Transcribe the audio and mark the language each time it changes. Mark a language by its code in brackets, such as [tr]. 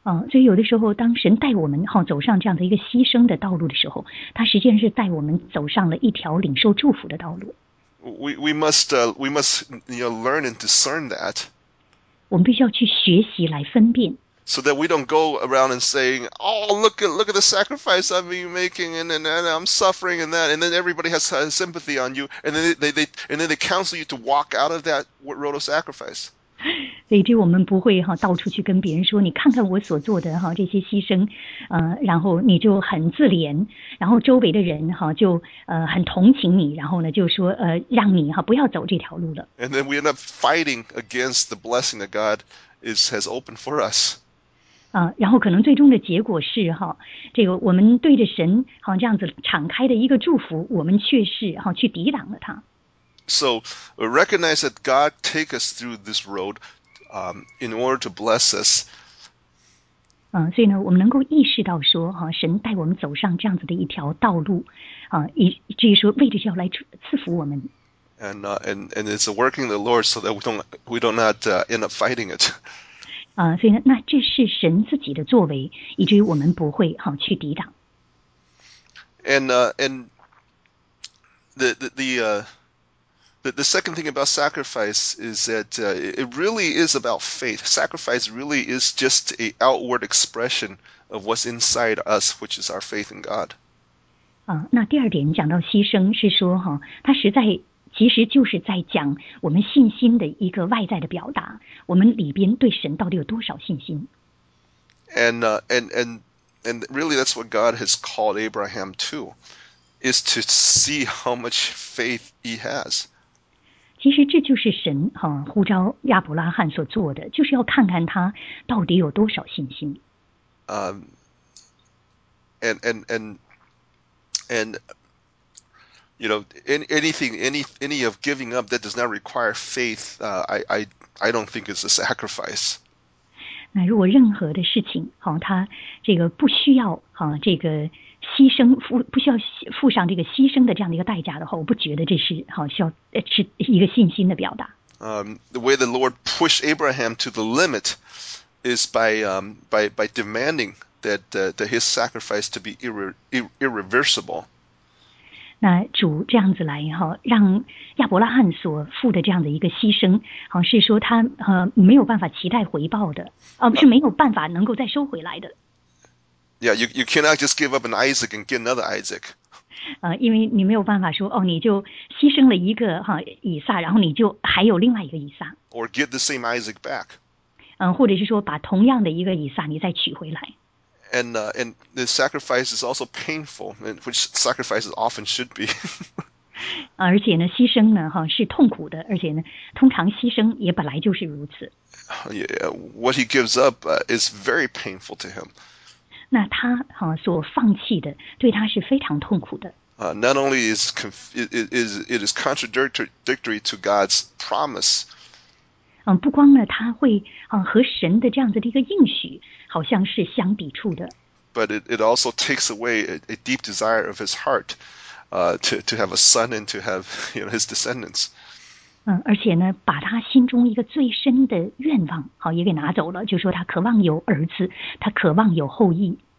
[zh] 所以有的时候当神带我们走上这样的一个牺牲的道路的时候，他实际上是带我们走上了一条领受祝福的道路。 [en] We must learn and discern that. [zh] 我们必须要去学习来分辨。 [en] So that we don't go around and saying, oh, look at the sacrifice I've been making and I'm suffering and that. And then everybody has sympathy on you. And then they counsel you to walk out of that road of sacrifice. [zh] 所以这我们不会到处去跟别人说，你看看我所做的这些牺牲，然后你就很自怜，然后周围的人就很同情你，然后呢就说让你不要走这条路了。 [en] And then we end up fighting against the blessing that God has opened for us. [zh] 然后可能最终的结果是这个我们对着神这样子敞开的一个祝福，我们却是去抵挡了他。 [en] So recognize that God takes us through this road, in order to bless us. [zh] 所以呢，我们能够意识到说，神带我们走上这样子的一条道路，以至于说为的是要来赐福我们。 [en] And it's a working the Lord so that we don't end up fighting it. [zh] 所以呢，那这是神自己的作为，以至于我们不会去抵挡。 [en] And the second thing about sacrifice is that it really is about faith. Sacrifice really is just an outward expression of what's inside us, which is our faith in God. [zh] 那第二点讲到牺牲是说它实在其实就是在讲我们信心的一个外在的表达，我们里边对神到底有多少信心。 [en] And really that's what God has called Abraham to, is to see how much faith he has. [zh] 其实这就是神呼召亚伯拉罕所做的，就是要看看他到底有多少信心。 [en] Anything of giving up that does not require faith, I don't think is a sacrifice. [zh] 那如果任何的事情他这个不需要这个牺牲不需要付上这个牺牲的这样的一个代价的话，我不觉得这是需要是一个信心的表达。 [en] The way the Lord pushed Abraham to the limit is by demanding that his sacrifice to be irreversible. [zh] 那主这样子来让亚伯拉罕所付的这样的一个牺牲，是说他没有办法期待回报的，是没有办法能够再收回来的。 [en] Yeah, you cannot just give up an Isaac and get another Isaac. [zh] 因为你没有办法说你就牺牲了一个以撒，然后你就还有另外一个以撒。 [en] Or get the same Isaac back. [zh] 或者是说把同样的一个以撒你再取回来。 [en] And the sacrifice is also painful, which sacrifices often should be. [zh] 而且呢，牺牲呢是痛苦的，而且呢，通常牺牲也本来就是如此。 [en] Yeah, what he gives up is very painful to him. [zh] 那他所放弃的对他是非常痛苦的。 [en] Not only is it contradictory to God's promise. [zh] 不光呢他会和神的这样子的一个应许好像是相抵触的。 [en] But it also takes away a deep desire of his heart, to have a son and to have his descendants. [zh] 而且呢把他心中一个最深的愿望也给拿走了，就是说他渴望有儿子，他渴望有后裔。